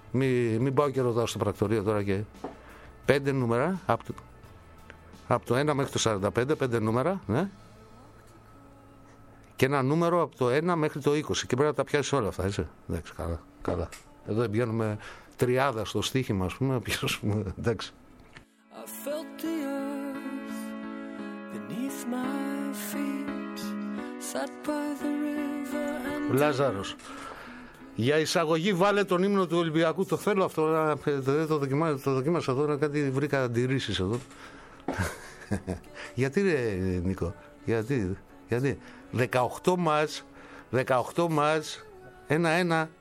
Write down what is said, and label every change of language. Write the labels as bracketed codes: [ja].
[el] Μην πάω και ρωτάω στο πρακτορείο τώρα και. 5 νούμερα. Από το 1 μέχρι το 45, 5 νούμερα, ναι. Και ένα νούμερο από το 1 μέχρι το 20. Και πρέπει να τα πιάσει όλα αυτά, έτσι. Εντάξει, καλά. Καλά. Εδώ πηγαίνουμε τριάδα στο στοίχημα, α πούμε. Πιάσουμε, εντάξει. [en] I felt the earth beneath my feet, sat by the river and... [el] Λάζαρος. Για εισαγωγή βάλε τον ύμνο του Ολυμπιακού. Το θέλω αυτό. Το δοκίμασα εδώ. Κάτι βρήκα αντιρρήσεις εδώ. Γιατί ρε Νίκο? Γιατί 18 μάτς 1-1.